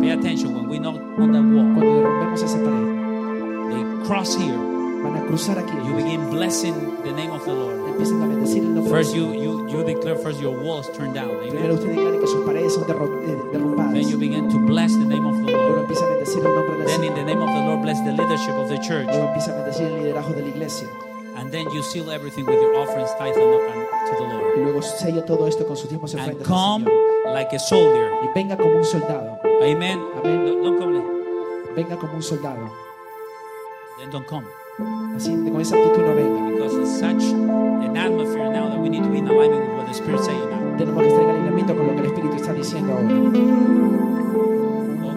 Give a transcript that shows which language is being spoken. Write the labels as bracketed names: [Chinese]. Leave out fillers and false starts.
[English] Pay attention when we knock on that wall. [Spanish] Cuando derrumbemos esa pared. [English] They cross here. [Spanish] Van a cruzar aquí. [English] You begin blessing the name of the Lord. [Spanish] Empiezan a bendecir el nombre. [English] First you declare first your walls turned down. Amen. [Spanish] Primero usted declara que sus paredes son derrumbadas. [English] Then you begin to bless the name of the Lord. [Spanish] Luego empieza a bendecir el nombre de Dios. [English] Then in the name of the Lord bless the leadership of the church. [Spanish] Luego empieza a bendecir el liderazgo de la iglesia. [English] And then you seal everything with your offerings, tithe, and to the Lord. [Spanish] Y luego sella todo esto con sus diezmos y ofrendas. [English] And come like a soldier. [Spanish] Y venga como un soldado. Amen. Amen. [English] Don't come. [Spanish] Venga como un soldado. [English] Then don't come. [Spanish] Así, con esa actitud no venga. [English] Because it's such an atmosphere now that we need to be in alignment with what the Spirit is saying now. [Spanish] Tenemos que estar en alineamiento con lo que el Espíritu está diciendo ahora.